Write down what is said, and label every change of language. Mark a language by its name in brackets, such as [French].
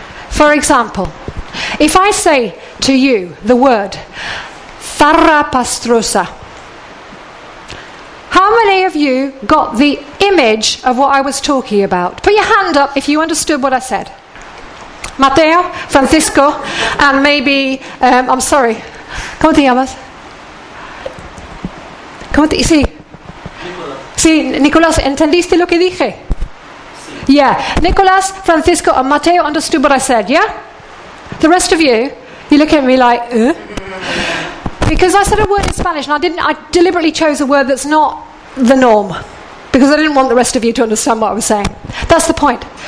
[English] For example, if I say to you the word tharapastrosa, how many of you got the image of what I was talking about? Put your hand up if you understood what I said. Mateo, Francisco, and maybe, I'm sorry. [Spanish] ¿Cómo te llamas? ¿Cómo te, sí? Nicolás. Sí, Nicolás, ¿entendiste lo que dije? Sí. [English] Yeah, Nicolás, Francisco, and Mateo understood what I said, yeah? The rest of you, you look at me like, Because I said a word in Spanish, and I deliberately chose a word that's not the norm, because I didn't want the rest of you to understand what I was saying. That's the point.